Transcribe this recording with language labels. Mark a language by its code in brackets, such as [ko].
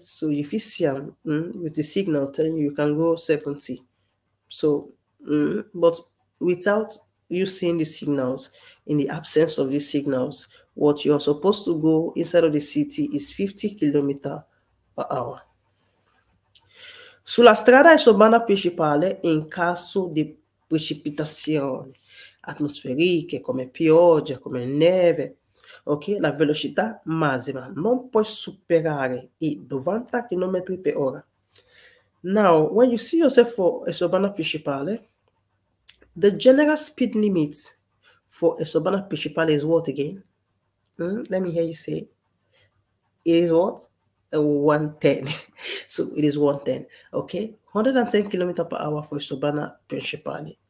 [en] So if you see with the signal telling you can go 70, so but without you seeing the signals, in the absence of these signals, what you're supposed to go inside of the city is 50 kilometer per hour. [it] Sulla strada e urbana principale, in caso di precipitazioni atmosferiche come pioggia, come neve, okay, la velocità massima non può superare i 90 km per ora. [en] Now, when you see yourself for a urbana principale, the general speed limit for a urbana principale is what again? Let me hear you say. It is what? 110. So it is 110. Okay, 110 km per hour for a urbana principale.